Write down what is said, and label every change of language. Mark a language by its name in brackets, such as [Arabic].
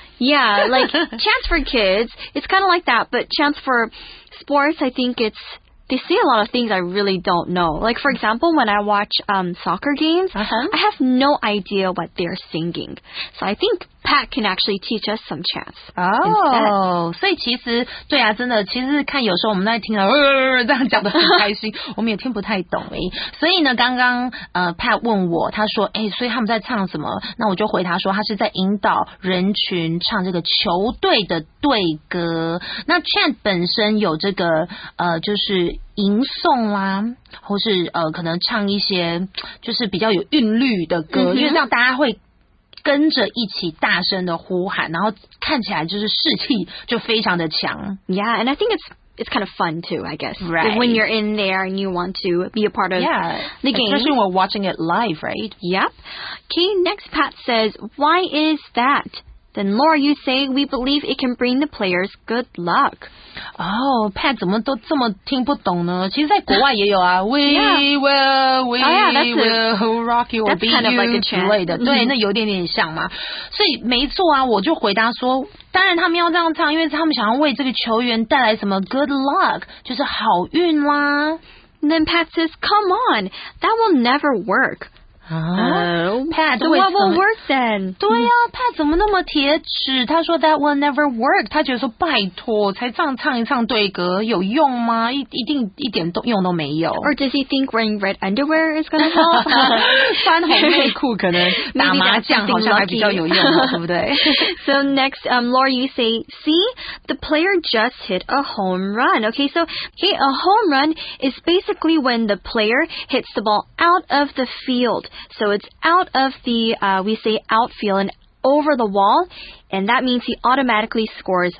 [English] Yeah, like chants for kids. It's kind of like that, but chants for sports, I think it's... They say a lot of things I really don't know. Like, for example, when I watch soccer games,、 uh-huh. I have no idea what they're singing. So I think Pat can actually teach us some chants. [Chinese] Oh, 所以其实对啊，真的，其实看有时候我们在听了、这样讲得很开心，我们也听不太懂诶。所以呢，刚刚Pat 问我，他说，哎，所以他们在唱什么？那我就回他说，他是在引导人群唱这个球队的队歌。那 chant 本身有这个就是。吟诵啦，或是可能唱一些就是比较有韵律的歌、嗯、因为让大家会跟着一起大声的呼喊，然后看起来就是士气就非常的强。 [English] Yeah, and I think it's kind of fun too, I guess. Right. When you're in there and you want to be a part of the game. Especially when watching it live, right? Yep. Okay, next Pat says, why is that? Then Laura, you say, we believe it can bring the players good luck. [Chinese] Oh, Pat, 怎么都这么听不懂呢？其实在国外也有啊。 [English] We will rock you or beat you. That's kind of like a chant. [Chinese] 之类的，对，那有点点像嘛。所以没错啊，我就回答说，当然他们要这样唱，因为他们想要为这个球员带来什么 good luck， 就是好运啦。 [English] Then Pat says, come on, that will never work. Pat, so what will work then? [Chinese] 对啊 Pat 怎么那么铁齿？他说 that will never work. 他觉得说拜托，才这样唱一唱对歌有用吗？一定一点用都没有。 [English] Or does he think wearing red underwear is going to help? [Chinese] 穿红内裤可能打麻将好像还比较有用，对不对 [English] ？So next, Laura, you say, see, the player just hit a home run. Okay, so hey, a home run is basically when the player hits the ball out of the field. So it's out of the, we say outfield and over the wall, and that means he automatically scores.